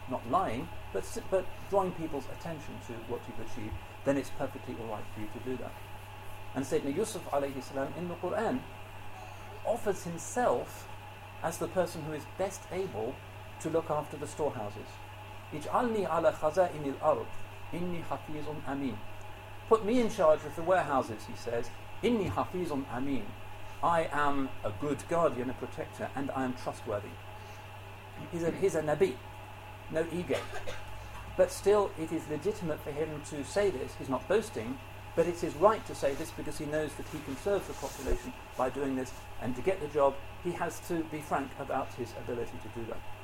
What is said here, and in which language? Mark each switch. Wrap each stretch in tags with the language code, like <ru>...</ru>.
<en>Not lying, but drawing people's attention to what you've achieved, then it's perfectly all right for you to do that. And Sayyidina Yusuf alayhi salam in the Quran offers himself as the person who is best able to look after the storehouses.</en> <ar>اجعلني على خزائن الأرض إني حفيظ أمين.</ar> <en>Put me in charge of the warehouses, he says.</en> <ar>إني حفيظ أمين.</ar> <en>I am a good guardian, a protector, and I am trustworthy. He's a Nabi, no ego. But still, it is legitimate for him to say this. He's not boasting, but it's his right to say this because he knows that he can serve the population by doing this, and to get the job, he has to be frank about his ability to do that.</en>